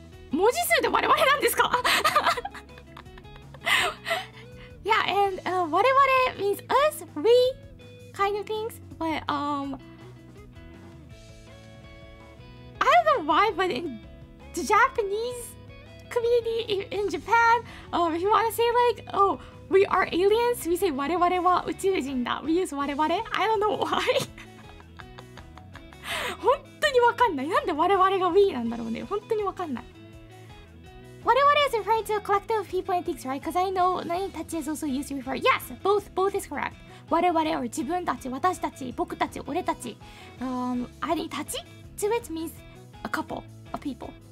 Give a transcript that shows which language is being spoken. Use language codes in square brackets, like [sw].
[ja] 文字数で我々なんですか？ [en] Yeah, and 我々 means us, we kind of things, but I don't know why, but in the Japanese community in Japan, if you want to say like, oh, we are aliens, we say [ja] 我々は宇宙人だ。 [en] We use 我々。I don't know why. [ja] 本当にわかんない。なんで我々が we なんだろうね。本当にわかんない。 [en] 我々 is referring to a collective of people and things, right? Because I know 何たち is also used to refer. Yes, both is correct. [ja] 我々 or 自分たち、私たち、僕たち、俺たち。 [en] 何たち to which means a couple of people.